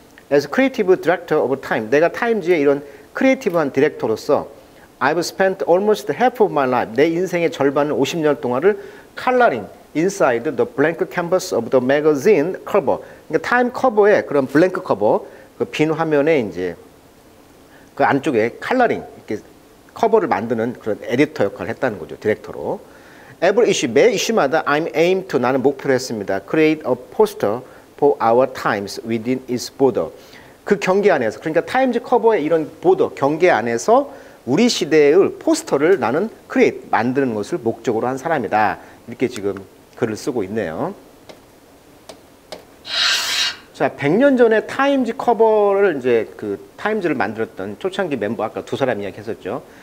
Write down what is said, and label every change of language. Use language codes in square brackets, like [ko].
[en] As creative director of time, [ko] 내가 타임즈의 이런 크리에이티브한 디렉터로서 [en] I've spent almost half of my life, [ko] 내 인생의 절반을 50년 동안을 [en] coloring inside the blank canvas of the magazine cover. [ko] 그러니까 타임 커버의 그런 블랭크 커버, 그 빈 화면에 이제 그 안쪽에 컬러링, 이렇게 커버를 만드는 그런 에디터 역할을 했다는 거죠, 디렉터로. [en] Every issue, [ko] 매 이슈마다 [en] I'm aim to, [ko] 나는 목표로 했습니다. [en] Create a poster for our times within its border. [ko] 그 경계 안에서, 그러니까 타임즈 커버의 이런 보더, 경계 안에서 우리 시대의 포스터를 나는 크리에이트, 만드는 것을 목적으로 한 사람이다. 이렇게 지금 글을 쓰고 있네요. 자, 100년 전에 타임즈 커버를 이제 그 타임즈를 만들었던 초창기 멤버, 아까 두 사람 이야기했었죠.